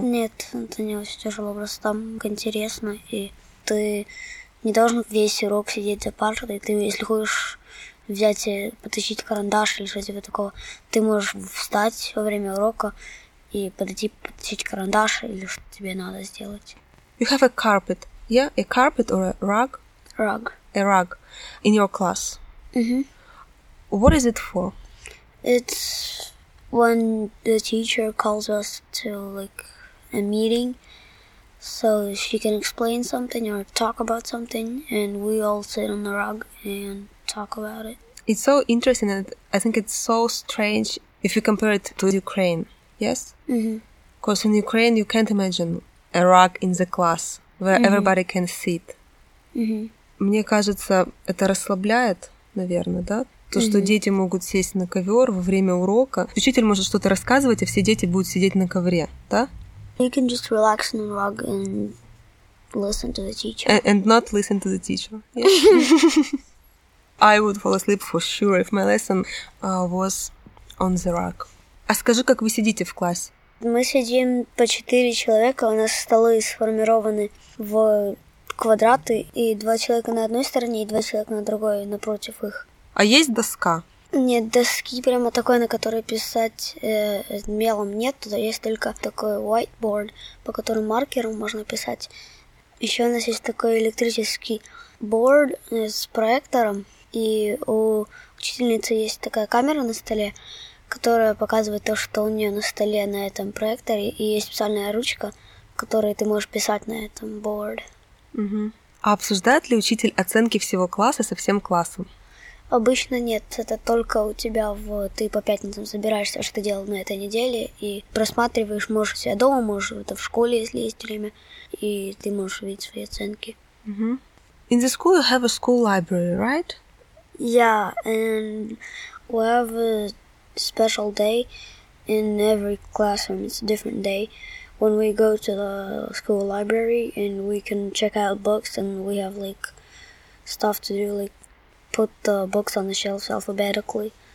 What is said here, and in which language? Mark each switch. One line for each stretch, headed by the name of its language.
Russian: Нет, это не очень тяжело, просто там интересно. И ты не должен весь урок сидеть за партой. Ты, если хочешь взять и потащить карандаш или что-то такого, ты можешь встать во время урока и подойти потащить карандаш или что тебе надо сделать.
English: You have a carpet, yeah? A carpet or a rug? Rug. A rug in your class. Mm-hmm. What is it for? It's when the teacher calls us to like a meeting so she can explain something or talk about something, and we all sit on the rug and talk about it. It's so interesting, and I think it's so strange if you compare it to Ukraine. Yes? Mm-hmm. Because in Ukraine you can't imagine a rug in the class where mm-hmm. everybody can sit. Mm-hmm.
Russian: Мне кажется, это расслабляет, наверное, да? То, mm-hmm. что дети могут сесть на ковер во время урока. Учитель может что-то рассказывать, а все дети будут сидеть на ковре, да?
English: You can just relax in the rug and listen to the teacher. And not listen to the teacher. Yeah. I would fall asleep for sure if my lesson was on the rug.
Russian: А скажи, как вы сидите в классе? Мы сидим по 4 человека, у нас столы сформированы в... квадраты, и 2 человека на одной стороне, и 2 человека на другой, напротив их. А есть доска? Нет, доски прямо такой, на которой писать мелом нет. Туда есть только такой whiteboard, по которому маркером можно писать. Еще у нас есть такой электрический board с проектором, и у учительницы есть такая камера на столе, которая показывает то, что у нее на столе на этом проекторе, и есть специальная ручка, которой ты можешь писать на этом board. Угу. А обсуждает ли учитель оценки всего класса со всем классом? Обычно нет, это только у тебя, ты по пятницам собираешься, что ты делал на этой неделе, и просматриваешь, можешь у себя дома, можешь это в школе, если есть время, и ты можешь увидеть свои оценки. Угу.
English: In the school you have a school library, right? Yeah, and we have a special day in every classroom, it's a different day. When we go to the school library and we can check out books and we have like stuff to do, like put the books on the shelves alphabetically.